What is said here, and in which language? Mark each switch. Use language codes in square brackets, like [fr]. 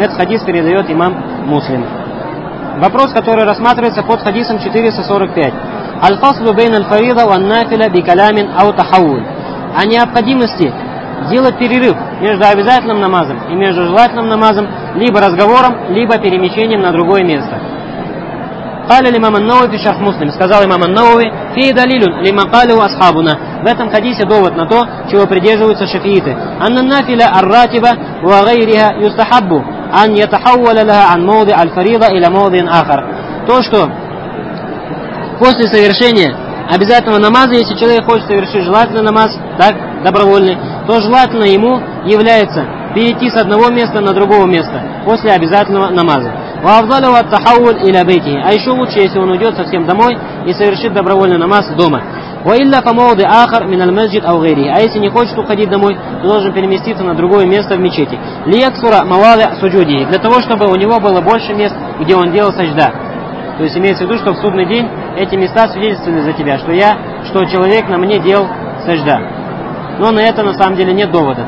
[ru] Этот хадис передает имам Муслим. Вопрос, который рассматривается под хадисом 445. [ar] Аль-фаслу бейн аль-фарида ва ан-нафиля би калямин ау тахауль. [ru] О необходимости делать перерыв между обязательным намазом и между желательным намазом либо разговором, либо перемещением на другое место. [ar] قال الإمام النووي في شرح مسلم. [ru] Сказал имам ан-Науви: [ar] فيه دليل لما قاله أصحابنا. [ru] В этом хадисе довод на то, чего придерживаются шафииты. [ar] أن النافلة الراتبة وغيرها يستحب أن يتحول لها عن موضع الفريضة إلى موضع آخر. [ru] То, что после совершения обязательного намаза, если человек хочет совершить желательный намаз, так добровольный, то желательно ему является перейти с одного места на другое место после обязательного намаза. [ar] وأفضله التحول إلى بيته. [ru] А еще лучше, если он уйдет совсем домой и совершит добровольный намаз дома. [ar] وإلا فموضع آخر من المسجد أو غيره. [ru] А если не хочет уходить домой, то должен переместиться на другое место в мечети. [ar] ليكثر مواضع سجوده. [ru] Для того, чтобы у него было больше мест, где он делал сажда. То есть имеется в виду, что в судный день эти места свидетельствуют за тебя, что я, что человек на мне делал сажда. Но на это на самом деле нет довода.